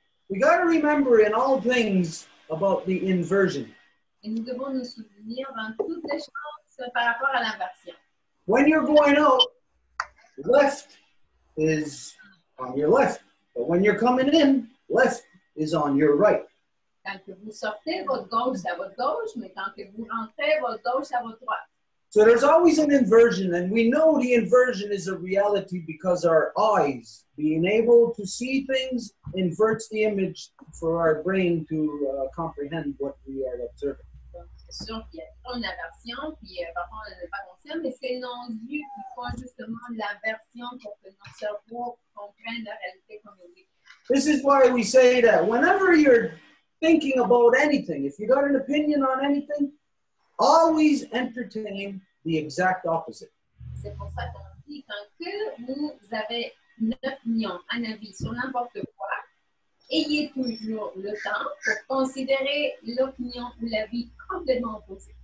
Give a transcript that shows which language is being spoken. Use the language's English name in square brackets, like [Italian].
[English] We got to remember in all things about the inversion. [French] Et nous devons nous souvenir dans toutes les choses par rapport à l'inversion. [English] When you're going out, left is on your left. But when you're coming in, left is on your right. [French] Quand que vous sortez, votre gauche est à votre gauche, mais quand que vous rentrez, votre gauche est à votre droite. [English] So there's always an inversion, and we know the inversion is a reality because our eyes, being able to see things, inverts the image for our brain to comprehend what we are observing. [French] Donc, c'est sûr qu'il y a trop d'inversion, puis parfois on n'est pas conscient, mais c'est nos yeux qui font justement l'inversion pour que notre cerveau comprenne la réalité comme il est. [English] This is why we say that whenever you're thinking about anything, if you got an opinion on anything, always entertain the exact opposite. [French] C'est pour ça qu'on dit quand que vous avez une opinion, un avis sur n'importe quoi, ayez toujours le temps pour considérer l'opinion ou l'avis complètement opposé.